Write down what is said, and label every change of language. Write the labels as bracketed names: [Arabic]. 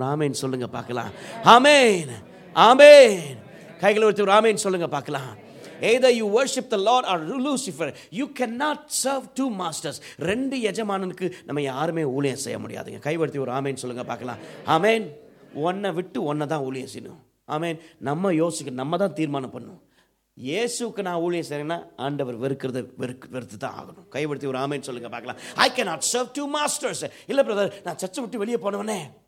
[Tamil] ஒரு ஆமேன் சொல்லுங்க பார்க்கலாம். ஆமேன். ஆமேன். கைகளை வச்சு ஒரு ஆமேன் சொல்லுங்க பார்க்கலாம். [English] Either you worship the Lord or Lucifer, you cannot serve two masters. [Tamil] ரெண்டு எஜமானனுக்கு நம்ம யாருமே ஊழியம் செய்ய முடியாதுங்க. கைவடுத்தி ஒரு ஆமேன் சொல்லுங்க பார்க்கலாம். ஆமேன். ஒன்னை விட்டு ஒன்னை தான் ஊழியம் செய்யணும். ஆமேன். நம்ம யோசிக்க, நம்ம தான் தீர்மானம் பண்ணணும். இயேசுக்கு நான் ஊழியம் செய்யறேன்னா ஆண்டவர் வெறுக்கிறது வெறுத்து தான் ஆகணும். கைப்படுத்தி ஒரு ஆமேன் சொல்லுங்க பார்க்கலாம். [English] I can not serve two masters. [Tamil] இல்லை பிரதர், நான் சர்ச்சை விட்டு வெளியே போனவனே.